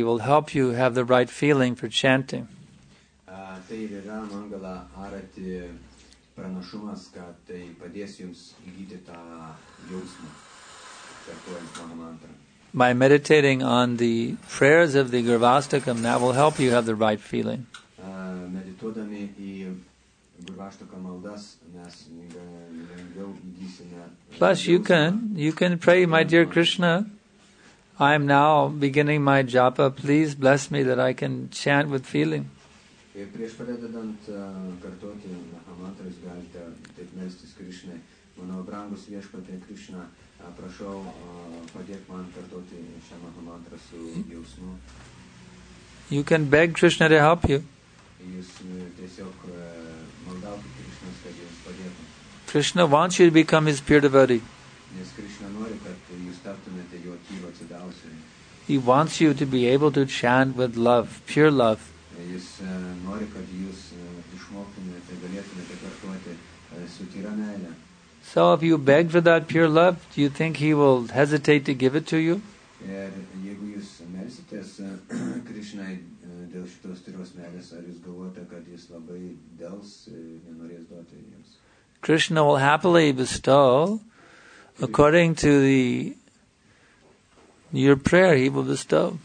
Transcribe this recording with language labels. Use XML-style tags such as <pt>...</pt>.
<en>It will help you have the right feeling for chanting.</en> <lt>Tai yra Mangala Arati pranašumas, kad tai padės jums įgyti tą jausmą, kartuojant mano mantrą.</lt> <en>By meditating on the prayers of the Gurvastakam, that will help you have the right feeling.</en> <lt>Meditodami į Gurvastaka maldas, mes lengviau įgysime.</lt> <en>Plus, you can pray, my dear Krishna, I am now beginning my japa. Please bless me that I can chant with feeling.</en> <lt>Ir prieš pradedant kartoti mantras, galite taip melstis Krishna. Mano brangus viešpatė Krishna, prašau, padėk man kartoti šią mantrą su jausmu.</lt> <en>You can beg Krishna to help you.</en> <lt>Jūs tiesiog maldauti Krishna, kad jums padėtų.</lt> <en>Krishna wants you to become his pure devotee.</en> <lt>Nes Krishna nori, kad jūs taptumėte jo tyvo atsidavusiu.</lt> <en>He wants you to be able to chant with love, pure love.</en> <lt>Jis nori, kad jūs išmoktumėte, galėtumėte kartuoti su tyra meile.</lt> <en>So if you beg for that pure love, do you think he will hesitate to give it to you?</en> <lt>Jeigu jūs melsitės Krishnai dėl šitos tyros meilės, ar jūs galvojate, kad jis labai dels, nenorės duoti jums?</lt> <en>Krishna will happily bestow, according to the your prayer, he will bestow.</en>